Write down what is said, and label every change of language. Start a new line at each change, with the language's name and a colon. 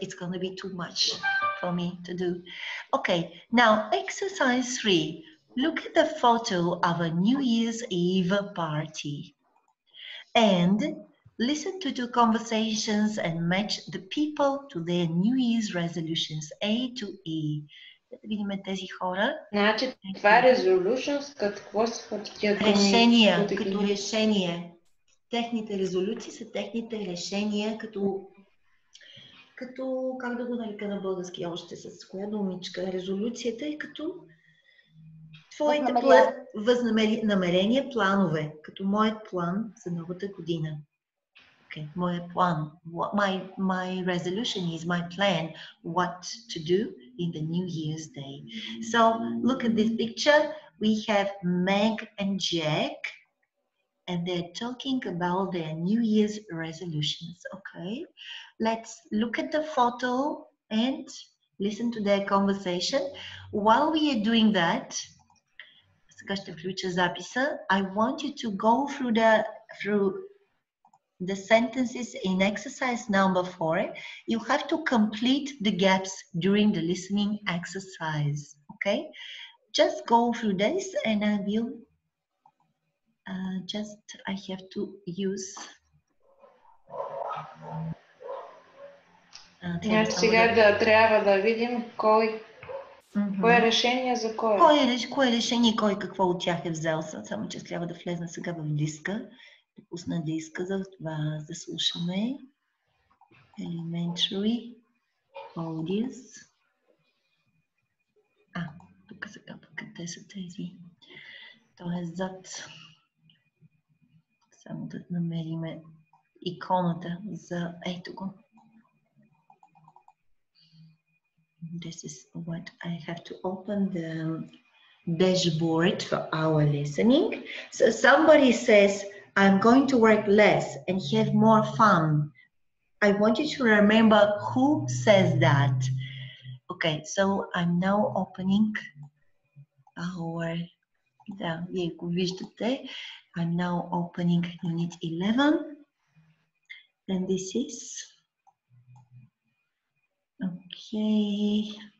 English: It's going to be too much for me to do. Okay, now exercise 3. Look at the photo of a New Year's Eve party. And listen to two conversations and match the people to their New Year's resolutions, A to E.
Bulgarian: Да видим тези хора. Значи това е resolutions, какво са тия думи? Решения, като решения. Техните резолюции са техните решения, като как да го нарека на български още, с коя думичка? Резолюцията е като твоите намерения, планове, като моят план за новата година.
English: Okay, my plan, my resolution is my plan, what to do in the New Year's Day. So look at this picture. We have Meg and Jack, and they're talking about their New Year's resolutions. Okay, let's look at the photo and listen to their conversation. While we are doing that,
Bulgarian: сега ще включа записа.
English: I want you to go through the sentences in exercise number 4, you have to complete the gaps during the listening exercise, okay? Just go through this and I will I have to use...
Bulgarian: Сега да трябва да видим кое решение за кое. Кое решение и кой какво от тях е взел, само че трябва да влезна сега в диска. Пусна диска за това, да слушаме.
English: Elementary Audios.
Bulgarian: А, тук сега пък къде са тези. Това е зад. Само да намерим иконата за... Ето го.
English: This is what I have to open the dashboard for our listening. So somebody says, I'm going to work less and have more fun. I want you to remember who says that. Okay, so I'm now opening our unit 11, and this is okay.